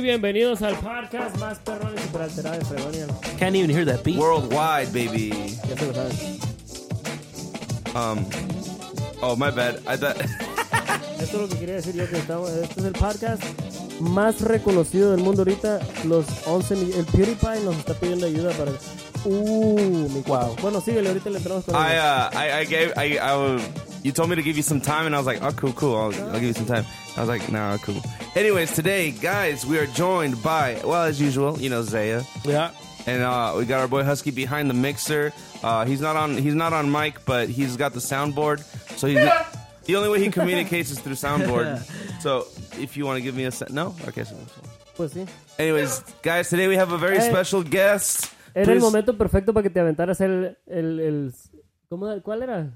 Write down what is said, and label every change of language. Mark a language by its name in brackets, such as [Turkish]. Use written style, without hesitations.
[Spanish] Bienvenidos al podcast más perrón y super alterado de Fregonia. [English] Can't even hear that beat. Worldwide, baby. [Spanish] Ya te lo sabes. [English] Oh, my bad. I bet. [Spanish] Esto es lo que quería decir yo, que estamos. Este es el podcast más reconocido del mundo ahorita. Los 11 millones. El PewDiePie nos está pidiendo ayuda para... [English] You told me to give you some time, and I was like, oh, cool, I'll give you some time. I was like, nah, cool. Anyways, today, guys, we are joined by, well, as usual, you know, Zaya. Yeah. And we got our boy Husky behind the mixer. He's not on mic, but he's got the soundboard. So he's the only way he communicates is through soundboard. So if you want to give me a set, no? Okay. So. [Spanish] Pues sí. [English] Anyways, guys, today we have a very special guest. [Spanish] Era el momento perfecto para que te aventaras el ¿cómo, cuál era?